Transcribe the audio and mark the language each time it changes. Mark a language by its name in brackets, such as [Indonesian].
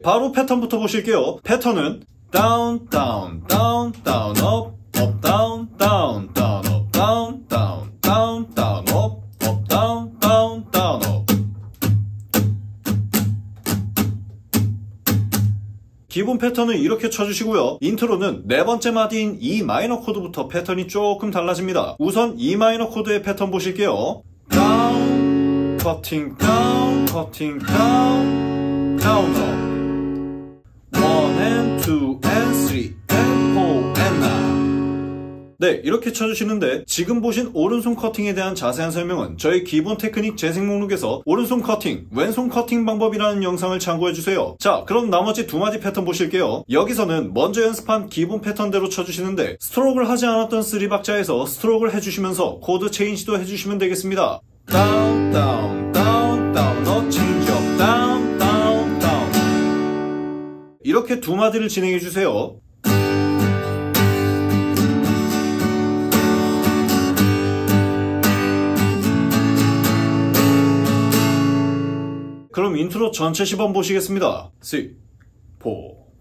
[Korean] 바로 패턴부터 보실게요. 패턴은 다운 다운 다운 다운 업 업 다운 다운 다운 업 다운 다운 다운 다운 업 업 다운 다운 다운 업. 기본 패턴은 이렇게 쳐주시고요. 인트로는 네 번째 마디인 E 마이너 코드부터 패턴이 조금 달라집니다. 우선 E 마이너 코드의 패턴 보실게요. [English] Down, cutting down, cutting down, down up. One and two and three and four and nine. [Korean] 네, 이렇게 쳐주시는데 지금 보신 오른손 커팅에 대한 자세한 설명은 저희 기본 테크닉 재생 목록에서 오른손 커팅, 왼손 커팅 방법이라는 영상을 참고해주세요. 자, 그럼 나머지 두 마디 패턴 보실게요. 여기서는 먼저 연습한 기본 패턴대로 쳐주시는데, 스트로크를 하지 않았던 3박자에서 스트로크를 해주시면서 코드 체인지도 해주시면 되겠습니다. [English] Down, down, down, down, no change up, down, down, down. [Korean] 이렇게 두 마디를 진행해주세요. 그럼 인트로 전체 시범 보시겠습니다. 3, 4.